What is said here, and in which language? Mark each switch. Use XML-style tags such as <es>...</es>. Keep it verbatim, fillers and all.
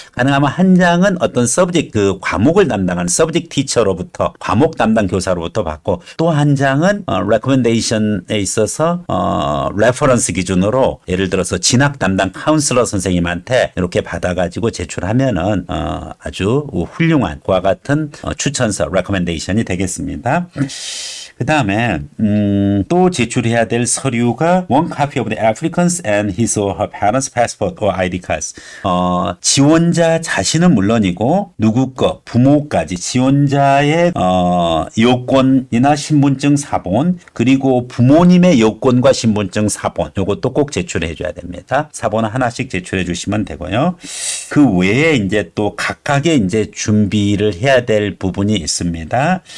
<ko>가능하면 한 장은 어떤 서브젝트 그 과목을 담당하는 서브젝트 티처로부터 과목 담당 교사로부터 받고 또 한 장은 어, Recommendation에 있어서 어, 레퍼런스 기준으로 예를 들어서 진학 담당 카운슬러 선생님한테 이렇게 받아가지고 제출하면은 어, 아주 훌륭한 그와 같은 어, 추천서 레커멘데이션이 되겠습니다. 그 다음에 음, 또 제출해야 될 서류가</ko> <en>One copy of the applicants and his or her parents' passport or 아이디 cards.</en> <ko>어, 지원자 자신은 물론이고 누구 거 부모까지 지원자의 어, 요건이나 신분증 사본 그리고 부모님의 요건과 신분증 사본 요것도 꼭 제출해 줘야 됩니다. 사본은 하나씩 제출해 주시면 되고요. 그 외에 이제 또 각각의 이제 준비를 해야 될 부분이 있습니다.</ko>